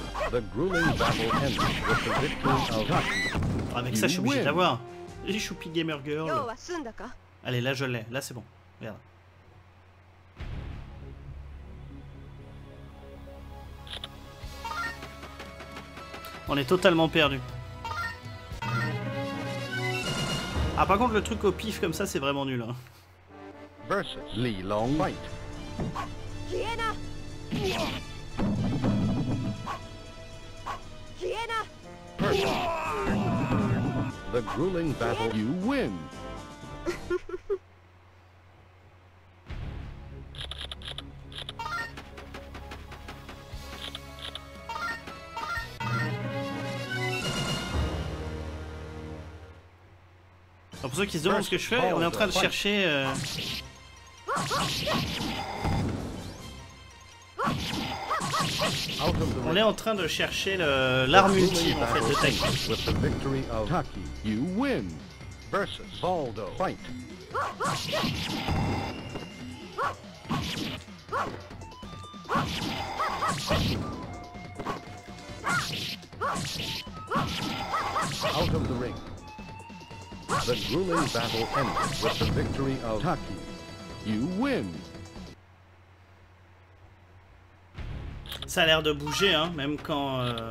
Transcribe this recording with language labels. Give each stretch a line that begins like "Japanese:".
English: The grueling battle ends with the victory of Haki.
French: Avec ça, je suis obligé d'avoir. J'ai Choupi Gamer Girl. Allez, là je l'ai, là c'est bon. Merde. On est totalement perdu. Ah, par contre, le truc au pif comme ça, c'est vraiment nul. Hein.
English: Versus Li Long Fight. Kiena! Kiena! The grueling battle, you win!
French: Pour ceux qui se demandent ce que je fais, on est en train de chercher... On est en train de chercher le... l'arme ultime, en fait, de Taki.
English: With the victory of Taki, you win! Versus Baldo, fight! Out of the ring! The grueling battle ends with the victory of Taki. You win.
French: Ça a l'air de bouger, hein, même quand...